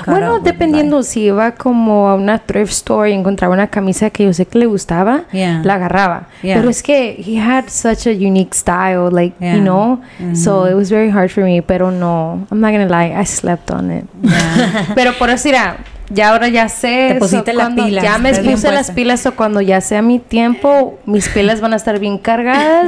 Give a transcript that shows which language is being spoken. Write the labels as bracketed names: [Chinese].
[Spanish] Bueno, dependiendo si iba como a una thrift store y encontraba una camisa que yo sé que le gustaba, la agarraba. [English] Yeah. [Spanish] Pero es que [English] he had such a unique style, like, you know? Mm-hmm. So it was very hard for me, [Spanish] pero no, [English] I'm not gonna lie, I slept on it. Yeah. [Spanish] Pero por así era. Ya ahora ya sé. Te pusiste las pilas. Ya me puse las pilas, o cuando ya sea mi tiempo, mis pilas van a estar bien cargadas.